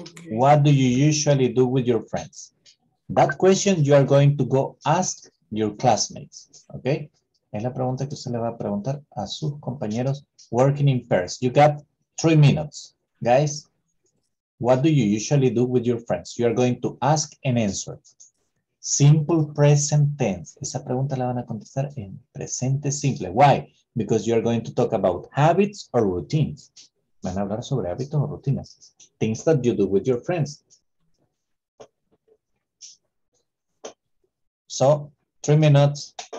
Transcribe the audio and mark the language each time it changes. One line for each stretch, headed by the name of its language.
English: What do you usually do with your friends? That question you are going to go ask your classmates. Okay.
Spanish: Es la pregunta que usted le va a preguntar a sus compañeros
English: working in pairs. You got 3 minutes. Guys, what do you usually do with your friends? You are going to ask and answer. simple present tense.
Spanish: Esa pregunta la van a contestar en presente simple.
English: Why? Because you are going to talk about habits or routines.
Spanish: Van a hablar sobre hábitos o rutinas.
English: Things that you do with your friends. So, 3 minutes.